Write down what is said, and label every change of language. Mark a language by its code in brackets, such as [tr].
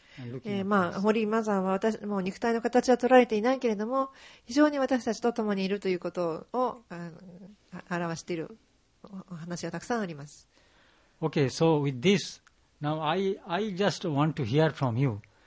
[en] And looking [ja] まあ、ホリーマザーは私もう肉体の形は取られていないけれども、非常に私たちと共にいるということを表しているお話がたくさんあります。 [en] Okay, so with this, now I just want to hear from you.